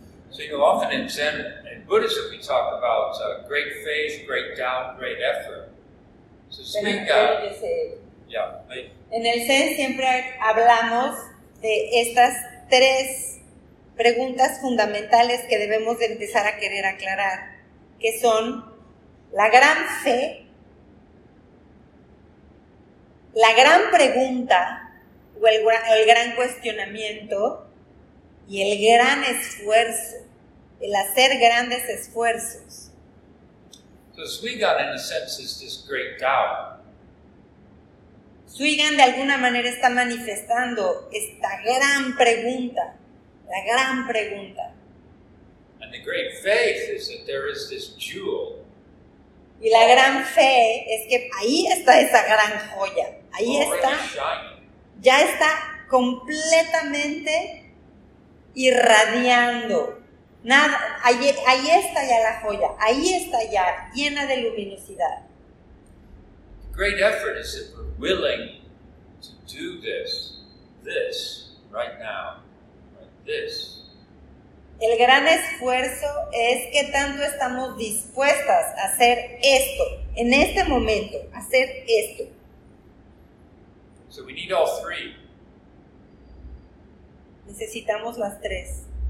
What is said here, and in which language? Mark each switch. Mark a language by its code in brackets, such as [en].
[en] So you often in Zen and Buddhism we talk about great faith, great doubt, great effort. So speak up. [es] En el Zen siempre hablamos de estas tres preguntas fundamentales que debemos de empezar a querer aclarar, que son la gran fe, la gran pregunta o el gran cuestionamiento y el gran esfuerzo, el hacer grandes esfuerzos. [en] So Swigan, in a sense, is this great doubt. [es] Swigan de alguna manera está manifestando esta gran pregunta, la gran pregunta. [en] And the great faith is that there is this jewel. [es] Y la gran fe es que ahí está esa gran joya. Ahí está, ya está completamente irradiando. Nada, ahí está ya la joya, ahí está ya, llena de luminosidad. [en] The great effort is if we're willing to do this, right now, like this. [es] El gran esfuerzo es que tanto estamos dispuestas a hacer esto, en este momento, hacer esto. [en] So we need all three. [es] Necesitamos las tres.